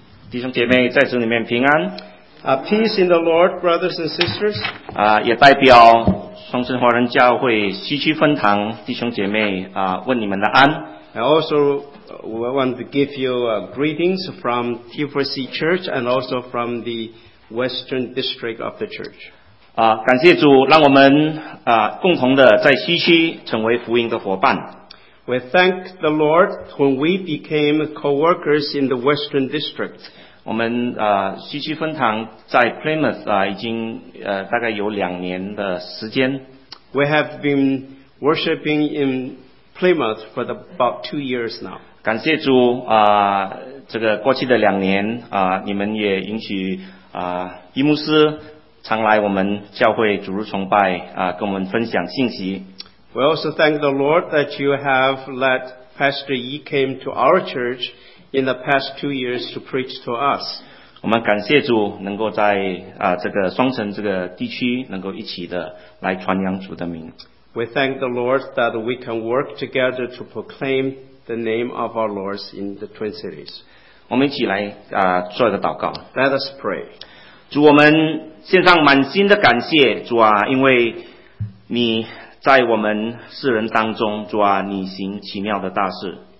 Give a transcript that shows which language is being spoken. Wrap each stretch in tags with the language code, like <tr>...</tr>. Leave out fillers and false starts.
<zh>弟兄姐妹在主里面平安。</zh> <en>Peace in the Lord, brothers and sisters.</en> <zh>也代表双圣华人教会西区分堂弟兄姐妹问你们的安。</zh> <en>I also want to give you greetings from T4C Church and also from the Western District of the Church.</en> <zh>感谢主，让我们共同的在西区成为福音的伙伴。</zh> <en>We thank the Lord when we became co-workers in the Western District.</en> <zh>我们西区分堂在 Plymouth 已经大概有两年的时间。</zh> <en>We have been worshiping in Plymouth for about 2 years now.</en> <zh>感谢主这个过去的两年你们也允许伊牧师常来我们教会主日崇拜跟我们分享信息。</zh> <en>We also thank the Lord that you have let Pastor Yi came to our church in the past 2 years to preach to us.</en> <zh>我们感谢主能够在这个双城这个地区能够一起的来传扬主的名。</zh> <en>We thank the Lord that we can work together to proclaim the name of our Lord in the Twin Cities.</en> <zh>我们一起来做一个祷告。</zh> <en>Let us pray.</en> <zh>主，我们献上满心的感谢，主啊，因为你在我们世人当中，主啊，你行奇妙的大事。</zh>